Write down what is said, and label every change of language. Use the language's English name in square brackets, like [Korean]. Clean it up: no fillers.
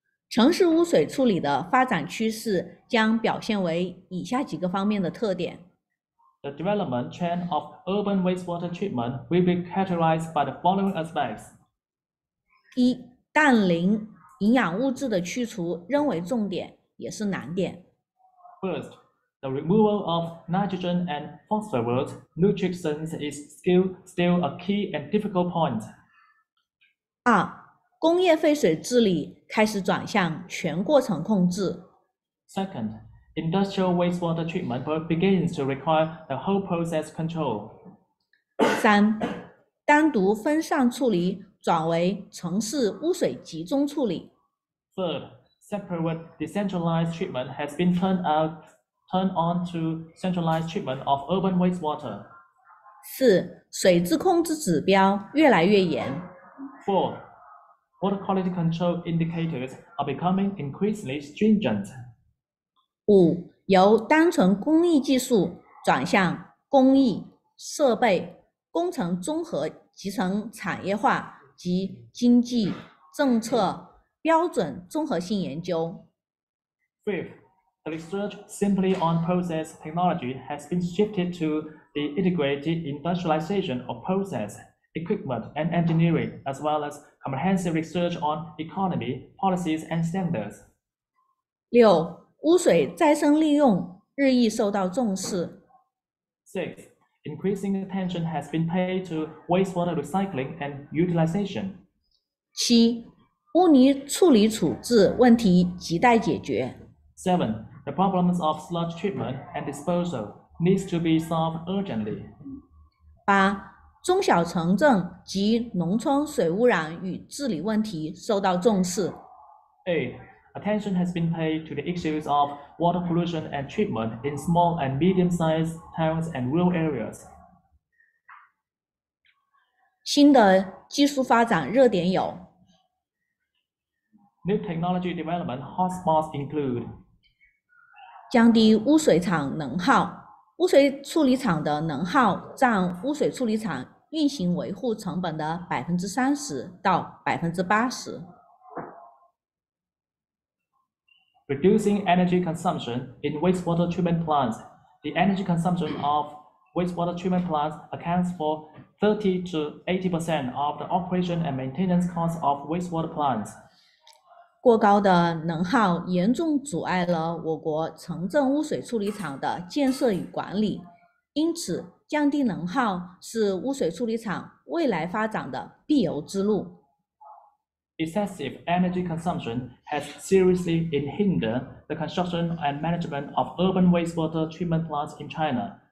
[Chinese] 城市污水处理的发展趋势将表现为以下几个方面的特点。 [English] The development trend of urban wastewater treatment will be characterized by the following aspects. [Chinese] 一、氮磷、营养物质的去除仍为重点，也是难点。 [English] First,The removal of nitrogen and phosphorus nutrients is still a key and difficult point. [Chinese] 二，工业废水治理开始转向全过程控制。 [English] Second, industrial wastewater treatment begins to require the whole process control. [Chinese] 三，单独分散处理转为城市污水集中处理。 [English] Third, separate decentralized treatment has been turned on to centralized treatment of urban wastewater. [Chinese] 四、水质控制指标越来越严。 [English] Four, water quality control indicators are becoming increasingly stringent. [Chinese] 五、由单纯工艺技术转向工艺、设备、工程综合集成产业化及经济、政策、标准综合性研究。 [English] Fifth, The research simply on process technology has been shifted to the integrated industrialization of process, equipment, and engineering, as well as comprehensive research on economy, policies, and standards. [Chinese] 六，污水再生利用日益受到重视。 [English] Six, increasing attention has been paid to wastewater recycling and utilization. [Chinese] 七，污泥处理处置问题亟待解决。 [English] Seven,The problems of sludge treatment and disposal needs to be solved urgently. [Chinese] 八、中小城镇及农村水污染与治理问题受到重视。 [English] Eight, attention has been paid to the issues of water pollution and treatment in small and medium-sized towns and rural areas. [Chinese] 新的技术发展热点有。 [English] New technology development hotspots include. [Chinese] 降低污水厂能耗，污水处理厂的能耗占污水处理厂运行维护成本的30%-80%。 [English] Reducing energy consumption in wastewater treatment plants. The energy consumption of wastewater treatment plants accounts for 30%-80% of the operation and maintenance costs of wastewater plants. [Chinese] 过高的能耗严重阻碍了我国城镇污水处理厂的建设与管理，因此降低能耗是污水处理厂未来发展的必由之路。 [English] Excessive energy consumption has seriously hindered the construction and management of urban wastewater treatment plants in China.